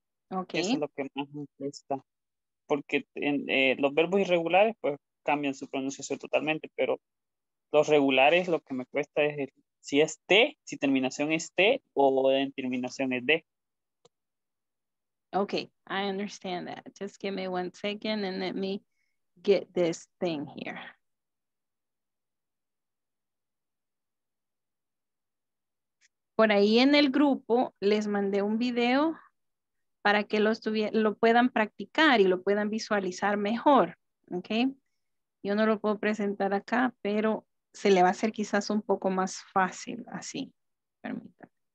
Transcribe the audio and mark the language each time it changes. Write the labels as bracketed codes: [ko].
[es] Okay. Eso es lo que más me cuesta. Porque los verbos irregulares pues cambian su pronunciación totalmente, pero los regulares lo que me cuesta es si es T, si terminación es T o en terminación es D. [en] Okay, I understand that. Just give me one second and let me get this thing here. [es] Por ahí en el grupo les mandé un video para que lo puedan practicar y lo puedan visualizar mejor, ¿ok? Yo no lo puedo presentar acá, pero se le va a hacer quizás un poco más fácil así. Permítanme.